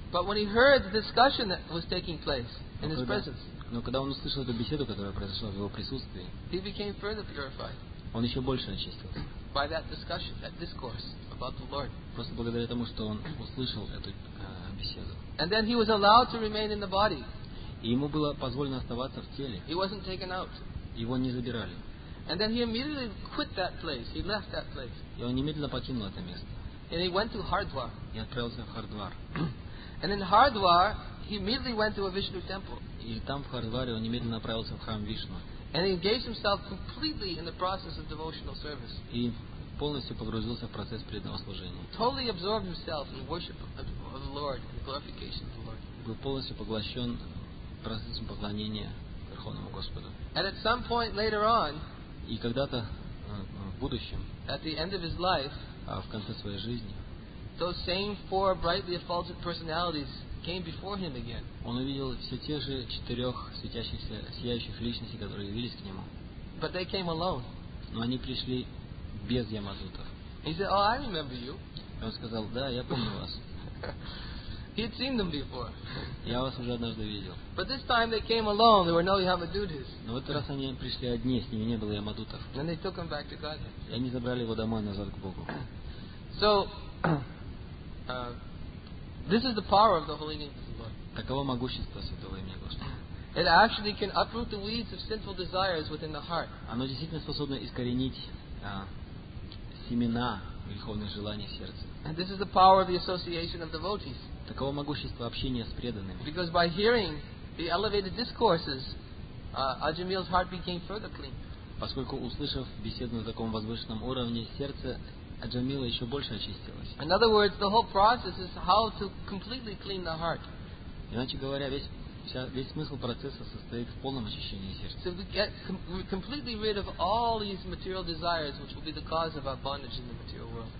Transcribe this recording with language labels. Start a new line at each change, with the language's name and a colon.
English: But when he heard the discussion that was taking place in his presence.
Russian: Но когда он услышал эту беседу, которая произошла в его присутствии,
English: he became further purified.
Russian: Он еще больше очистился.
English: By that discussion, that discourse about the Lord.
Russian: Просто благодаря тому, что он услышал эту беседу.
English: And then he was allowed to remain in the body.
Russian: И ему было позволено оставаться в теле.
English: He wasn't taken out.
Russian: Его не забирали.
English: And then he immediately quit that place. He left that place.
Russian: И он немедленно покинул это место.
English: And he went to Hardwar.
Russian: И отправился в Хардвар.
English: And in Hardwar, he immediately went to a Vishnu temple.
Russian: И там в Хардваре он немедленно направился в храм Вишну.
English: And he engaged himself completely in the process of devotional service.
Russian: И полностью погрузился в процесс преданного служения.
English: Totally absorbed himself in worship of the Lord and glorification of the Lord.
Russian: Был полностью поглощен процессом поклонения Верховному Господу.
English: And at some point later on.
Russian: И когда-то в будущем,
English: at the end of his life,
Russian: в конце своей жизни,
English: those same four brightly effulgent personalities came before him again.
Russian: Он увидел все те же четырех светящихся, сияющих личностей, которые явились к нему.
English: But they came alone.
Russian: Но они пришли без ямадутов.
English: He said, "Oh, I remember you."
Russian: И он сказал, "Да, я помню вас."
English: He had seen them before.
Russian: Я вас уже однажды видел.
English: But this time they came alone. There were no Yamadutas.
Russian: Но в этот раз они пришли одни, с ними не было ямадутов.
English: And they took him back to God.
Russian: И они забрали его домой назад к Богу.
English: So, this is the power of the holy name of the Lord.
Russian: Таково могущество святого имени Господа.
English: It actually can uproot the weeds of sinful desires within the heart.
Russian: Оно действительно способно искоренить семена греховных желаний в сердце.
English: And this is the power of the association of devotees.
Russian: Таково могущество общения с преданными.
English: Because by hearing the elevated discourses, Ajamil's heart became further clean.
Russian: Поскольку услышав беседу на таком возвышенном уровне, сердце Аджамила еще больше очистилось.
English: In other words, the whole process is how to completely clean the heart.
Russian: Иначе говоря, весь смысл процесса состоит в полном очищении сердца.
English: So we get completely rid of all these material desires, which will be the cause of our bondage in the material world.